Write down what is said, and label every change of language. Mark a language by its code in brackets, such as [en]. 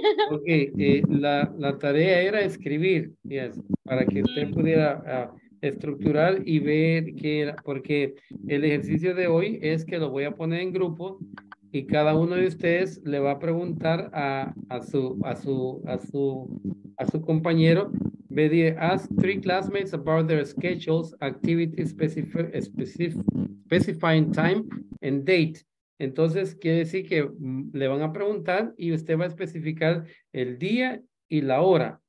[es] Okay, la tarea era escribir, [en] yes, [es] para que usted pudiera estructurar y ver qué era, porque el ejercicio de hoy es que lo voy a poner en grupo y cada uno de ustedes le va a preguntar a su compañero. Me dice, [en] ask three classmates about their schedules, activities, specifying time and date. [es] Entonces, quiere decir que le van a preguntar y usted va a especificar el día y la hora.